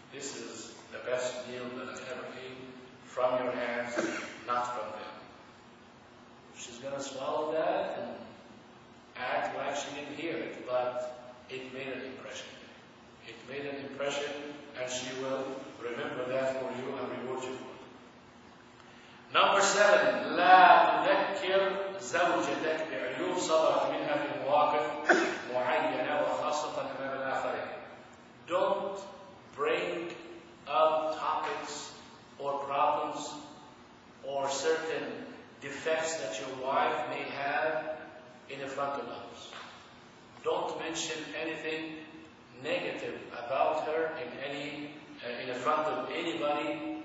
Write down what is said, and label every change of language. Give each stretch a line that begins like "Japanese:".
English: This is the best meal that I ever ate from your hands, not from them. She's going to swallow that and act like she didn't hear it, but it made an impression. It made an impression, and she will remember that for you and reward you for it. Number 7,
Arabic: لا تذكر زوجتك بعيوب صدرت منها في مواقف معينة وخاصة أمام الآخرين.
English: Don't bring up topics or problems or certain defects that your wife may have in the front of others. Don't mention anything negative about her in any in the front of anybody.